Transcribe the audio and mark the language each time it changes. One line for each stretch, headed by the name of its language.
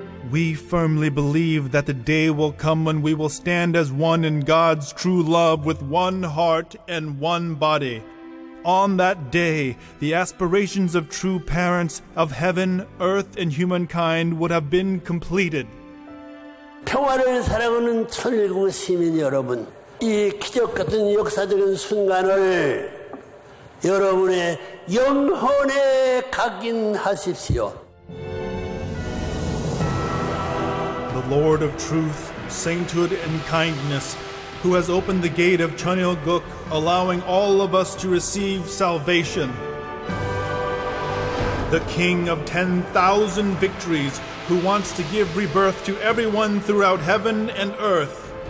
English: We firmly believe that the day will come when we will stand as one in God's true love with one heart and one body. On that day, the aspirations of true parents of heaven, earth, and humankind would have been completed.
Korean: 평화를 사랑하는 천일국 시민 여러분, 이 기적 같은 역사적인 순간을 여러분의 영혼에 각인하십시오.
English: The Lord of Truth sainthood and kindness, who has opened the gate of Chunhyo-guk, allowing all of us to receive salvation. The King of 10,000 victories, who wants to give rebirth to everyone throughout heaven and earth.